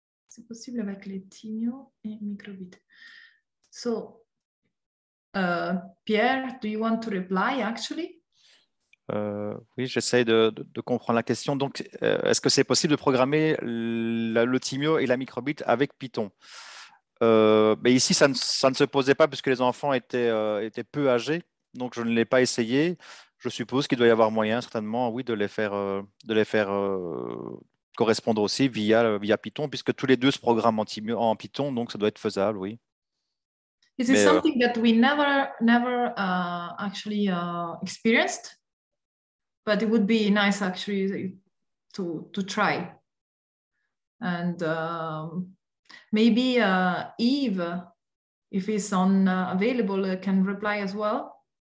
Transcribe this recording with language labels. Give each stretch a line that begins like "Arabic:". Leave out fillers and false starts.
English: Is it possible
French: avec le Thymio et microbit?
English: So, Pierre, do you want to reply actually?
French: Oui, j'essaie de comprendre la question. Donc, est-ce que c'est possible de programmer le Thymio et la microbit avec Python? Mais ici, ça ne se posait pas puisque les enfants étaient peu âgés, donc je ne l'ai pas essayé. Je suppose qu'il doit y avoir moyen, certainement, oui, de les faire correspondre aussi via Python, puisque tous les deux se programment en Python, donc ça doit être faisable, oui.
English: Is it something that we never actually experienced, but it would be nice actually to try. And maybe Eve, if he's on available, can reply as well.